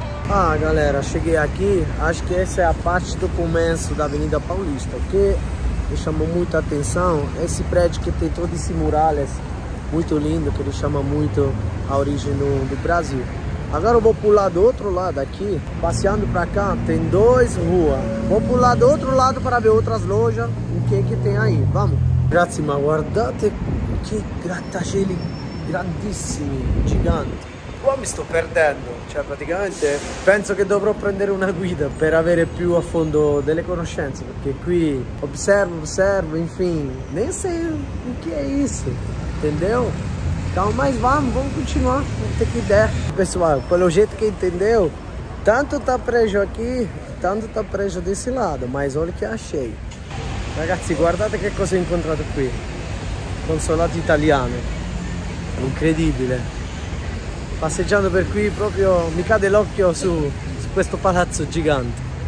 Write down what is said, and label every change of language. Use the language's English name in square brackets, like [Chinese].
[Portuguese] Ah, galera, cheguei aqui. Acho que essa é a parte do começo da Avenida Paulista. O que me chamou muita atenção é esse prédio que tem todo esse muralhas muito lindo, que ele chama muito a origem do Brasil. Agora eu vou pular do outro lado aqui, passeando pra cá, tem duas ruas. Vou pular do outro lado para ver outras lojas, o que tem aí. Vamos. [Italian] Grazie, ma guardate che grattacieli grandissimi, gigante. Qua mi sto perdendo, cioè praticamente penso che dovrò prendere una guida per avere più a fondo delle conoscenze, perché qui osservo, [Portuguese] enfim, nem sei o che è isso, entendeu? Então, mas vamos continuar, vamos ter que der. Pessoal, pelo jeito que entendeu, tanto tá preso aqui, tanto tá preso desse lado, mas olha o que achei. [Italian] Ragazzi, guardate che cosa ho incontrato qui. Consolato italiano, incredibile. Passeggiando per qui proprio mi cade l'occhio su questo palazzo gigante.